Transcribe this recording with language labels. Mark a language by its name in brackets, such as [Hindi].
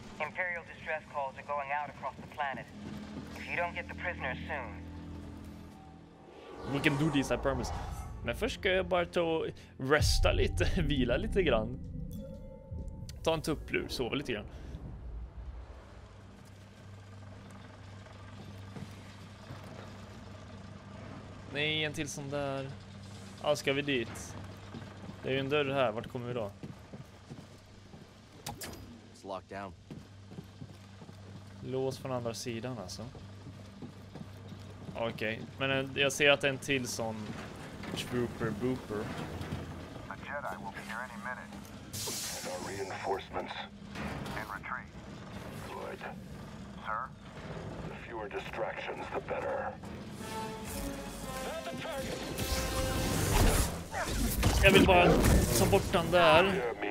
[English] Imperial distress calls are going out across the planet. If you don't get the prisoners soon... We can do this, I promise. [Swedish] Men först ska jag bara ta och resta lite, vila lite grann. Ta en tupplur, sova lite grann. Nej, en till sån där. Ja, ah, ska vi dit? Det är ju en dörr här, vart kommer vi då? [English] It's locked down. [Swedish] Lås från andra sidan alltså. Okej, men jag ser att det är en till sån... [English] Trooper booper. A Jedi will be here any minute. And our reinforcements. In retreat. Good. Sir? The fewer distractions, the better. [Swedish] Jag vill bara ta bort den där.